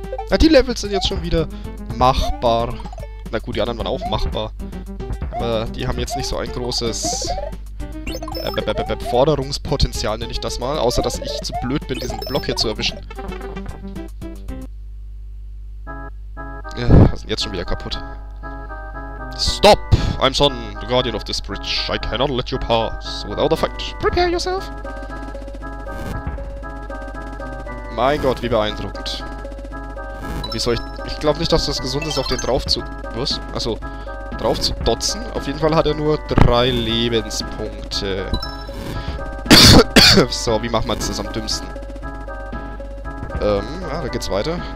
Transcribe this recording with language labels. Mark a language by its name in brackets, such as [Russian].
[German] Na, die Levels sind jetzt schon wieder machbar. Na gut, die anderen waren auch machbar. Aber die haben jetzt nicht so ein großes Forderungspotenzial, nenne ich das mal. Außer, dass ich zu blöd bin, diesen Block hier zu erwischen. Jetzt schon wieder kaputt. [English] Stop! I'm Son, the guardian of this bridge. I cannot let you pass without a fight. Prepare yourself! [German] Mein Gott, wie beeindruckend. Wie soll ich... Ich glaube nicht, dass das gesund ist, auf den drauf zu... Was? Also, drauf zu dotzen. Auf jeden Fall hat er nur 3 Lebenspunkte. So, wie macht man das am dümmsten? Ja, da geht's weiter.